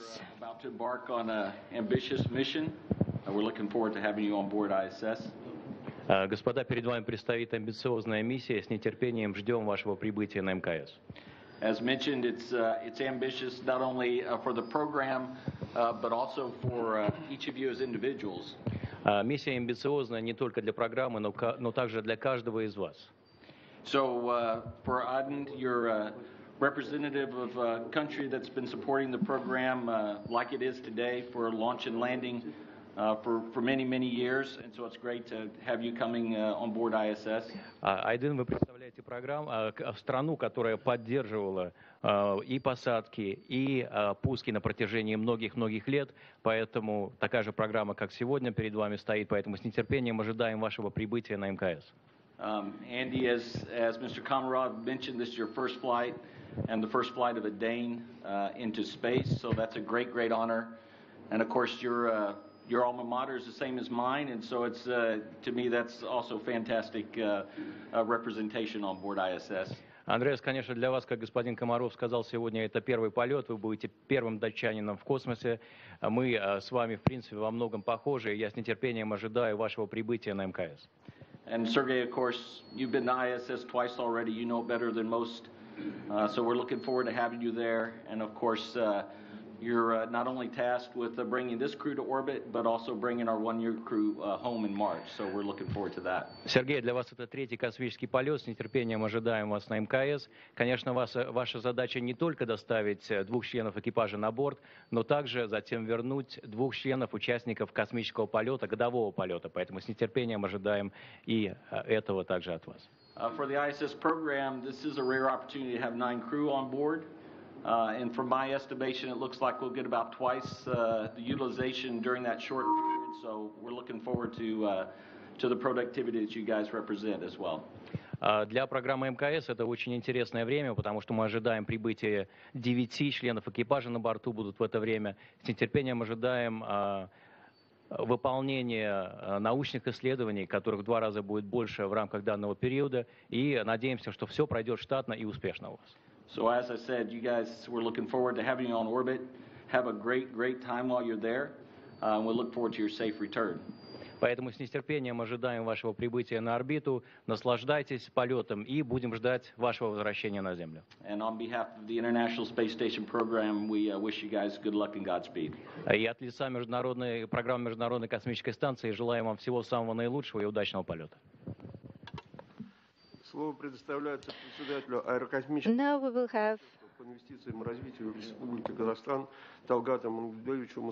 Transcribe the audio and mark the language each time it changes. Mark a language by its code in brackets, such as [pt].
[en] We're about to embark on an ambitious mission, and we're looking forward to having you on board ISS. [ru] Господа, перед вами предстоит амбициозная миссия. С нетерпением ждем вашего прибытия на МКС. [en] As mentioned, it's ambitious not only for the program, but also for each of you as individuals. [ru] Миссия амбициозная не только для программы, но также для каждого из вас. [en] So, for Aydin, you're a representative of a country that's been supporting the program like it is today for launch and landing. For many, many years, and so it's great to have you coming on board ISS. [ru] Aydin, вы представляете программу, страну, которая поддерживала и посадки, и пуски на протяжении многих-многих лет, поэтому такая же программа, как сегодня, перед вами стоит, поэтому с нетерпением ожидаем вашего прибытия на МКС. [en] Andy, as Mr. Komarov mentioned, this is your first flight, and the first flight of a Dane into space, so that's a great, great honor, and of course, you're your alma mater is the same as mine, and so it's to me that's also fantastic representation on board ISS. [ru] Андреас, конечно, для вас, как господин Комаров сказал сегодня, это первый полет, вы будете первым датчанином в космосе. Мы с вами, в принципе, во многом похожи, и я с нетерпением ожидаю вашего прибытия на МКС. [en] And Sergey, of course, you've been to ISS twice already, you know better than most, so we're looking forward to having you there, and of course, you're not only tasked with bringing this crew to orbit, but also bringing our one-year crew home in March. So we're looking forward to that. [ru] Сергей, для вас это третий космический полет. С нетерпением ожидаем вас на МКС. Конечно, ваша задача не только доставить двух членов экипажа на борт, но также затем вернуть двух членов участников космического полета, годового полета. Поэтому с нетерпением ожидаем и этого также от вас. [en] For the ISS program, this is a rare opportunity to have nine crew on board. And from my estimation, it looks like we'll get about twice the utilization during that short period. So we're looking forward to the productivity that you guys represent as well. [ru] Для программы МКС это очень интересное время, потому что мы ожидаем прибытия 9 членов экипажа на борту будут в это время. С нетерпением ожидаем выполнения научных исследований, которых в два раза будет больше в рамках данного периода. И надеемся, что все пройдет штатно и успешно у вас. [en] So as I said, you guys, we're looking forward to having you on orbit. Have a great, great time while you're there. We look forward to your safe return. [ru] Поэтому с нетерпением ожидаем вашего прибытия на орбиту. Наслаждайтесь полетом и будем ждать вашего возвращения на Землю. [en] And on behalf of the International Space Station program, we wish you guys good luck and Godspeed. [ru] И от лица международной программы Международной космической станции желаем вам всего самого наилучшего и удачного полета. Слово предоставляется председателю аэрокосмической по инвестициям и развитию Республики Казахстан Талгату Мусабаеву.